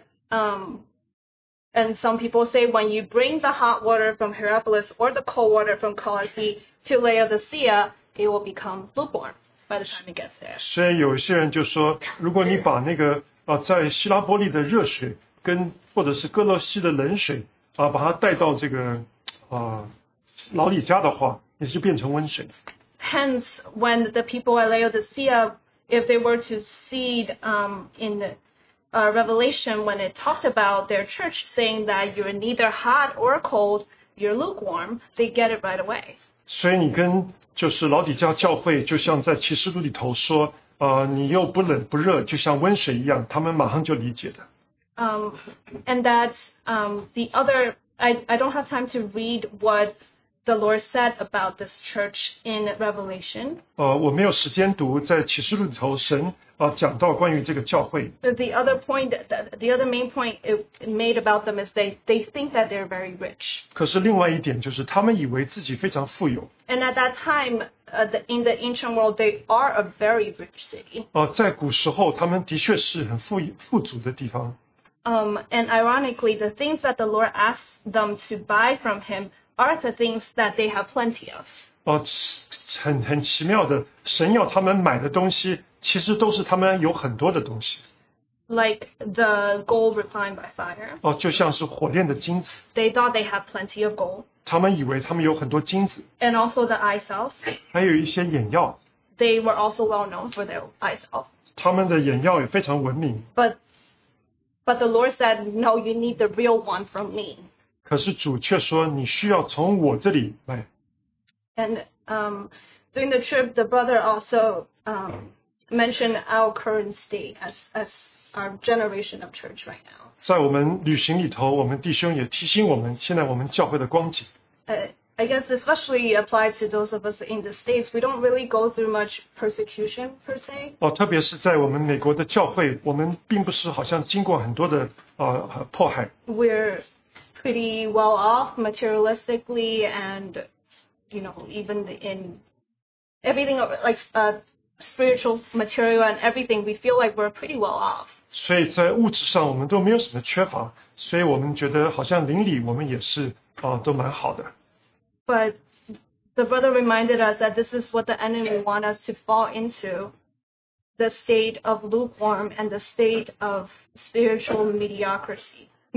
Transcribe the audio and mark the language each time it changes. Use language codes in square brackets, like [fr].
[en] And some people say when you bring the hot water from Hierapolis or the cold water from Colossae to Laodicea, it will become lukewarm by the time it gets there. [zh] 所以有些人就说，如果你把那个在希拉波利的热水跟或者是哥洛西的冷水把它带到这个老底家的话，也就变成温水。 [en] Hence, when the people at Laodicea, if they were to see in the Revelation, when it talked about their church saying that you're neither hot or cold, you're lukewarm, they get it right away. [zh] 所以你跟就是老底家教会，就像在启示录里头说，你又不冷不热，就像温水一样，他们马上就理解的。 [en] And that's the other. I don't have time to read what the Lord said about this church in Revelation. [zh] 我没有时间读在启示录里头神。讲到关于这个教会。 [en] The other point, the other main point it made about them is they think that they're very rich. [zh] 可是另外一点就是他们以为自己非常富有。 [en] And at that time, in the ancient world, they are a very rich city. [zh] 在古时候他们的确是很富足的地方。 [en] And ironically, the things that the Lord asked them to buy from him are the things that they have plenty of. [zh] 很奇妙的，神要他们买的东西其实都是他们有很多的东西。 [en] Like the gold refined by fire. [zh] 就像是火炼的金子。 [en] They thought they had plenty of gold. [zh] 他们以为他们有很多金子。 [en] And also the eye salve. [zh] 还有一些眼药。 [en] They were also well known for their eye salve. [zh] 他们的眼药也非常闻名。 [en] But the Lord said, no, you need the real one from me. [zh] 可是主却说，你需要从我这里来。 [en] And during the trip, the brother also mention our current state as our generation of church right now. [zh] 在我们旅行里头，我们弟兄也提醒我们，现在我们教会的光景。 [en] I guess especially apply to those of us in the States. We don't really go through much persecution per se. [zh] 特别是在我们美国的教会，我们并不是好像经过很多的迫害。 [en] We're pretty well off materialistically, and you know, even in everything like spiritual material and everything, we feel like we're pretty well off. [zh] 所以在物质上我们都没有什么缺乏，所以我们觉得好像邻里我们也是都蛮好的。 [en] But the brother reminded us that this is what the enemy wants us to fall into, the state of lukewarm and the state of spiritual mediocrity.